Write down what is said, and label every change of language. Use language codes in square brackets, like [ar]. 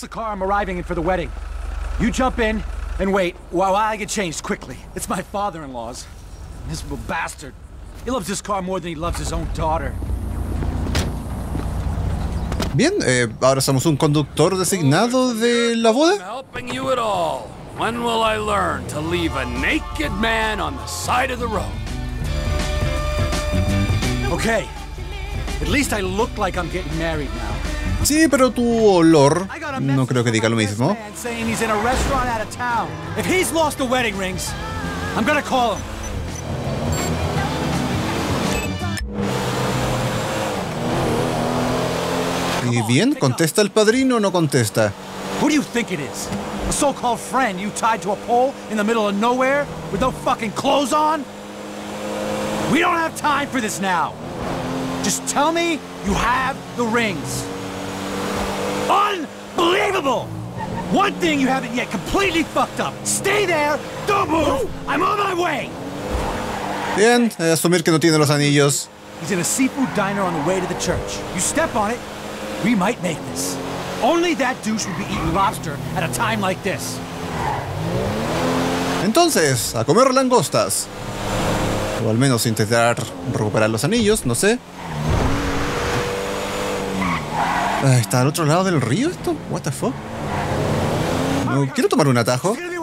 [en] The car I'm arriving in for the wedding. You jump in. And wait, while I get changed quickly, it's my father-in-law's. Miserable bastard. He loves this car more than he loves his own daughter. [es] Bien, ahora somos un conductor designado de la boda. [en] I'm helping you at all. When will I learn to leave a naked man on the side of the road? Okay. At least I look like I'm getting married now. [es] Sí, pero tu olor no creo que diga lo mismo. [en] He's in a restaurant out of town. If he's lost the wedding rings, I'm gonna call him. [es] Y bien, contesta el padrino o no contesta. [en] Who do you think it is? A so-called friend you tied to a pole in the middle of nowhere with no fucking clothes on? We don't have time for this now. Just tell me you have the rings. Unbelievable! One thing you haven't yet completely fucked up. Stay there, don't move, I'm on my way. [es] Bien, asumir que no tiene los anillos. [en] He's in a seafood diner on the way to the church. You step on it, we might make this. Only that douche would be eating lobster at a time like this. [es] Entonces, a comer langostas. O al menos intentar recuperar los anillos, no sé. ¿Está al otro lado del río esto? [en] What the fuck? [es] No, quiero tomar un atajo.